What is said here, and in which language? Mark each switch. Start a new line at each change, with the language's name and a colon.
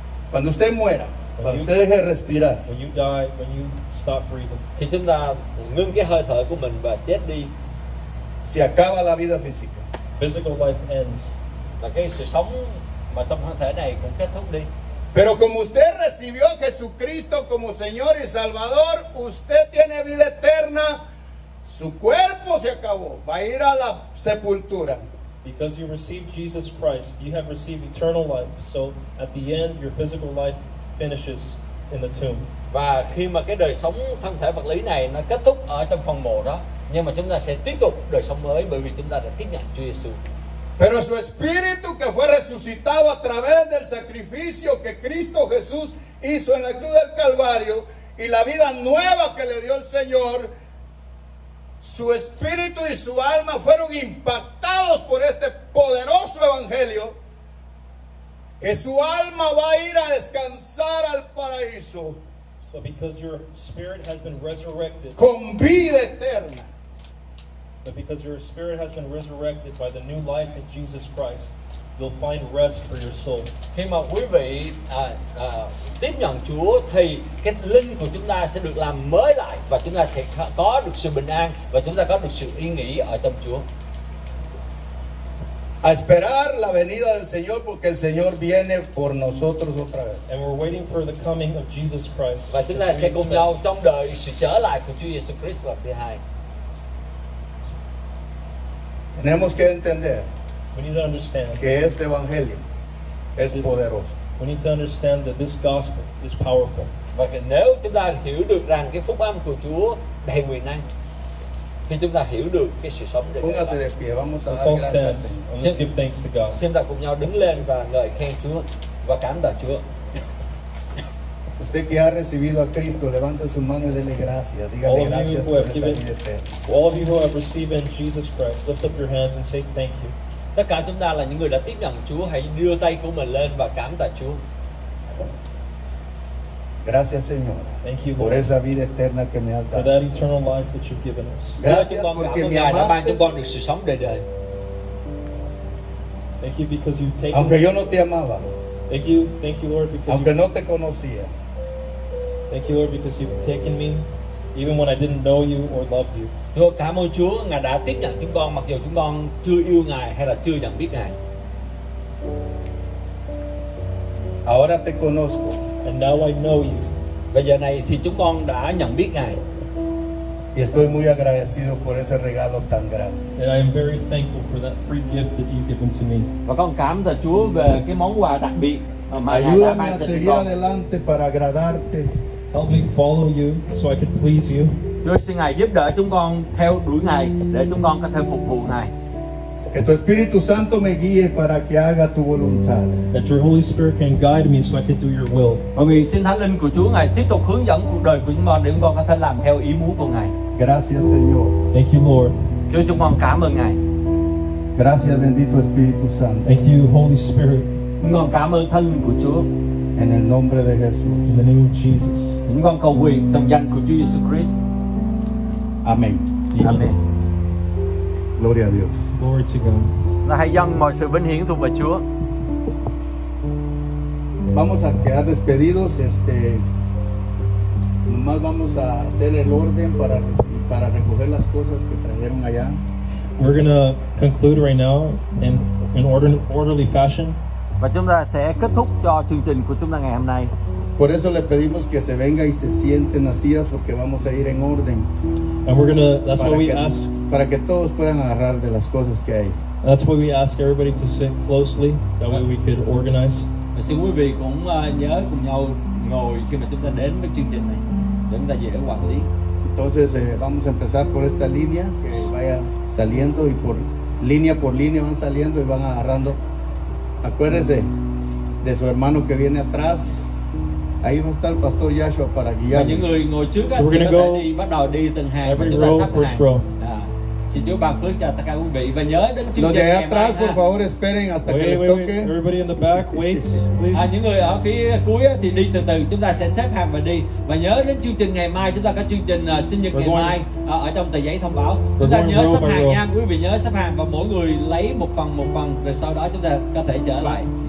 Spanish: Cuando usted muera, cuando usted deje respirar,
English: when you die, when you stop breathing,
Vietnamese: thì chúng ta ngưng cái hơi thở của mình và chết đi.
Spanish: Se acaba la vida física.
English: Physical life ends.
Vietnamese: Và cái sự sống mà trong thân thể này cũng kết thúc đi.
Spanish: Pero como usted recibió a Jesucristo como Señor y Salvador, usted tiene vida eterna. Su cuerpo se acabó, va a ir a la sepultura.
English: Because you received Jesus Christ, you have received eternal life. So at the end, your physical life finishes in the tomb.
Vietnamese: Và khi mà cái đời sống thân thể vật lý này nó kết thúc ở trong phòng mộ đó, nhưng mà chúng ta sẽ tiếp tục đời sống mới bởi vì chúng ta đã tiếp nhận Chúa Giêsu.
Spanish: Pero su espíritu que fue resucitado a través del sacrificio que Cristo Jesús hizo en la cruz del Calvario y la vida nueva que le dio el Señor, su espíritu y su alma fueron impactados por este poderoso evangelio, que su alma va a ir a descansar al paraíso.
English: But because your spirit has been resurrected.
Spanish: Con vida eterna.
English: But because your spirit has been resurrected by the new life in Jesus Christ, you'll find rest for your soul.
Vietnamese: Khi mà quý vị tiếp nhận Chúa thì cái linh của chúng ta sẽ được làm mới lại và chúng ta sẽ có được sự bình an và chúng ta có được sự yên nghỉ ở trong Chúa.
Spanish: A esperar la venida del Señor porque el Señor viene por nosotros otra vez.
English: And we're waiting for the coming of Jesus Christ.
Vietnamese: Và chúng ta sẽ cùng nhau trong đời sự trở lại của Chúa Jesus Christ lần thứ hai.
Spanish: Tenemos que entender que este evangelio es poderoso.
English: We need to understand that this gospel is powerful.
Vietnamese: Và nếu chúng ta hiểu được rằng cái phúc âm của Chúa đầy quyền năng, thì chúng ta hiểu được cái sự sống đời đời.
Spanish: Póngase de pie, vamos a dar gracias al Señor.
English: Let's give thanks to God.
Vietnamese: Chúng ta cùng nhau đứng lên và ngợi khen Chúa và cảm tạ Chúa.
Spanish: Usted que ha recibido a Cristo, levante su mano y dele gracias. Dígale gracias por esa vida eterna.
English: All of you who have received Jesus Christ, lift up your hands and say thank you.
Vietnamese: Tất cả chúng ta là những người đã tiếp nhận Chúa, hãy đưa tay của mình lên và cảm tạ Chúa.
Spanish: Gracias, Señor.
English: Thank you, Lord,
Spanish: por esa vida eterna que me has dado.
English: For that eternal life that you've given us.
Spanish: Gracias porque me amaste.
Vietnamese: Đã ban cho con được sự sống đời đời.
English: Thank you because you've taken.
Spanish: Aunque yo no te amaba.
English: Thank you, Lord, because.
Spanish: Aunque no te conocía.
English: Thank you, Lord, because you've taken me, even when I didn't know you or loved you.
Vietnamese: Chúa, cảm ơn Chúa, Ngài đã tiếp nhận chúng con mặc dù chúng con chưa yêu Ngài hay là chưa nhận biết Ngài.
Spanish: Ahora te conozco.
English: And now I know you.
Vietnamese: Bây giờ này thì chúng con đã nhận biết Ngài.
Spanish: Y estoy muy agradecido por ese regalo tan grande.
English: And I am very thankful for that free gift that you've given to me.
Vietnamese: Và con cảm tạ Chúa về cái món quà đặc biệt.
Spanish: Ayúdame a seguir adelante para agradarte.
English: Help me follow you so I can please you.
Vietnamese: Chúa xin Ngài giúp đỡ chúng con theo đuổi Ngài để chúng con có thể phục vụ Ngài.
Spanish: Que tu Espíritu Santo me guíe para que haga tu voluntad.
English: That your Holy Spirit can guide me so I can do your will.
Vietnamese: Và nguyện xin Thánh Linh của Chúa Ngài tiếp tục hướng dẫn cuộc đời của chúng con để chúng con có thể làm theo ý muốn của Ngài.
Spanish: Gracias, Señor.
English: Thank you, Lord.
Vietnamese: Chúa chúng con cảm ơn Ngài.
Spanish: Gracias, bendito Espíritu Santo.
English: Thank you, Holy Spirit.
Vietnamese: Chúng con cảm ơn Thánh Linh của Chúa.
English: In the name of Jesus. In the name of Jesus.
Vietnamese: Chúng con cầu nguyện trong danh của Chúa Jesus Christ.
English: Amen. Amen.
Spanish: Gloria a Dios.
English: Glory to God.
Vietnamese: Là hãy dâng mọi sự vinh hiển thuộc về Chúa.
Spanish: Vamos a quedar despedidos, nomás vamos a hacer el orden para recoger las cosas que trajeron allá.
English: We're gonna conclude right now in orderly fashion.
Vietnamese: Và chúng ta sẽ kết thúc cho chương trình của chúng ta ngày hôm nay.
Spanish: Por eso le pedimos que se venga y se siente en las sillas porque vamos a ir en orden.
English: And we're gonna, that's what we ask.
Spanish: Para que todos puedan agarrar de las cosas que hay.
English: That's why we ask everybody to sit closely, that way we could organize.
Vietnamese: Và xin quý vị cũng nhớ cùng nhau ngồi khi mà chúng ta đến với chương trình này, để chúng ta dễ quản lý.
Spanish: Entonces vamos a empezar por esta línea que vaya saliendo y por línea van saliendo y van agarrando. Acuérdese de su hermano que viene atrás. Ahí va a estar el pastor Yashua para guiarnos.
Vietnamese: Những người ngồi trước thì chúng ta đi bắt đầu đi từng hàng và chúng ta sắp hàng. Xin Chúa ban phước cho tất cả quý vị và nhớ đến chương trình.
Spanish: Los de atrás, por favor, esperen hasta que les toque.
English: Everybody in the back, wait, please.
Vietnamese: Những người ở phía cuối thì đi từ từ. Chúng ta sẽ xếp hàng và đi và nhớ đến chương trình ngày mai. Chúng ta có chương trình sinh nhật ngày mai ở trong tờ giấy thông báo. Chúng ta nhớ xếp hàng nha, quý vị nhớ xếp hàng và mỗi người lấy một phần rồi sau đó chúng ta có thể trở lại.